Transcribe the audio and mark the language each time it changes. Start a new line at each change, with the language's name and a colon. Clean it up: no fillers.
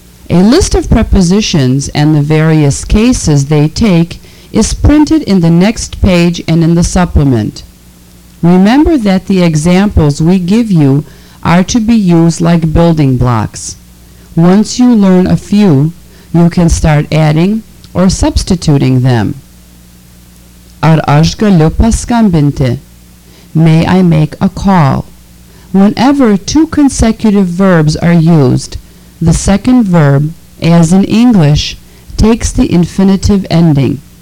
English: A list of prepositions and the various cases they take is printed in the next page and in the supplement. Remember that the examples we give you are to be used like building blocks. Once you learn a few, you can start adding or substituting them.
Lithuanian: Ar aš galiu paskambinti?
English: May I make a call? Whenever two consecutive verbs are used, the second verb, as in English, takes the infinitive ending.